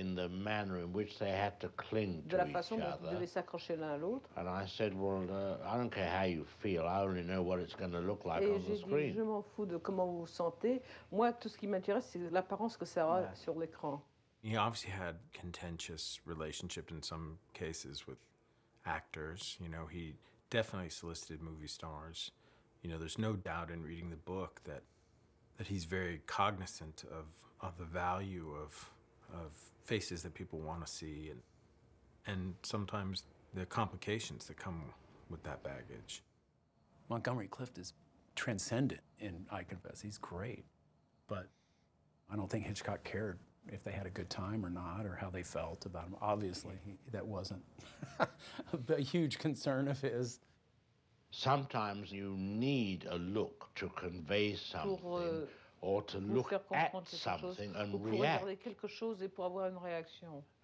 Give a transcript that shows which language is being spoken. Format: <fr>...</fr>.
<en>In the manner in which they had to cling to</en> <fr>de la façon dont ils devaient s'accrocher l'un à l'autre.</fr> <en>And I said, well, I don't care how you feel. I only know what it's going to look like</en> <fr>et</fr> <en>on the screen.</en> <fr>Et j'ai dit, je m'en fous de comment vous vous sentez. Moi, tout ce qui m'intéresse, c'est l'apparence que ça aura sur l'écran.</fr> <en>He obviously had contentious relationship in some cases with actors. You know, he definitely solicited movie stars. You know, there's no doubt in reading the book that he's very cognizant of the value of faces that people want to see and sometimes the complications that come with that baggage. Montgomery Clift is transcendent in I Confess. He's great. But I don't think Hitchcock cared if they had a good time or not or how they felt about him. Obviously, that wasn't a huge concern of his. Sometimes you need a look to convey something or to look at something and react.</en> <fr>Regarder quelque chose et pour avoir une réaction.</fr>